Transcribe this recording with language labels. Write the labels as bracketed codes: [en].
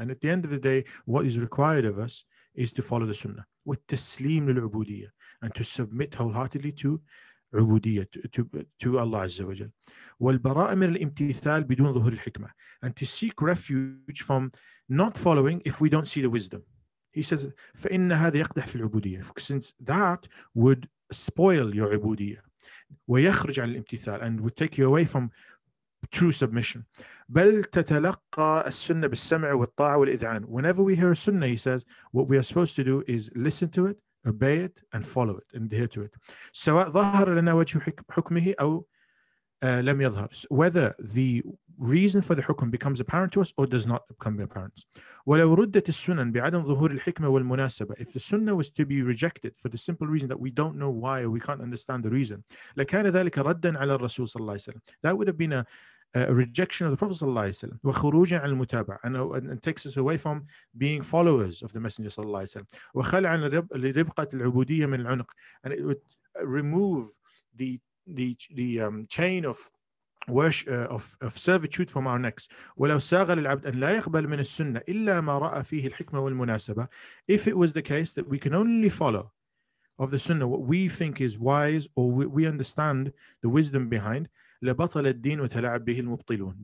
[en] And at the end of the day, what is required of us is to follow the sunnah. [ar] وَالتَّسْلِيمُ لِلْعُبُودِيَّةِ. [en] And to submit wholeheartedly to to Allah Azza wa Jal. [ar] وَالْبَرَاءَ مِنَ الْإِمْتِثَالِ بِدُونَ ظُهُرِ الْحِكْمَةِ. [en] And to seek refuge from not following if we don't see the wisdom. He says, [ar] فَإِنَّ هَذَا يَقْدَحْ فِي الْعُبُودِيَّةِ. [en] Since that would spoil your عُبُودِيَّةِ. [ar] ويخرج عن الامتثال, [en] and would take you away from true submission. [ar] بل تتلقى السنة بالسمع والطاعة والإذعان. [en] Whenever we hear a sunnah, he says, what we are supposed to do is listen to it, obey it, and follow it, and adhere to it. [ar] سواء ظهر لنا وجه حكمه أو لم يظهر. [en] Whether the reason for the حكم becomes apparent to us or does not become apparent. [ar] ولو ردت السنن بعدم ظهور الحكمة والمناسبة. [en] If the sunnah was to be rejected for the simple reason that we don't know why or we can't understand the reason, [ar] لكان ذلك ردا على الرسول صلى الله عليه وسلم. [en] That would have been a rejection of the Prophet صلى الله عليه وسلم. [ar] وخروج عن المتابع, [en] and takes us away from being followers of the Messenger صلى الله عليه وسلم. [ar] وخلع عن لربقة العبودية من العنق, [en] and it would remove the chain of worship of servitude from our necks. [ar] ولو ساغ للعبد أن لا يقبل من السنة إلا ما رأى فيه الحكمة والمناسبة. [en] If it was the case that we can only follow of the sunnah what we think is wise or we understand the wisdom behind, [ar] لبطل الدين وتلاعب به المبطلون.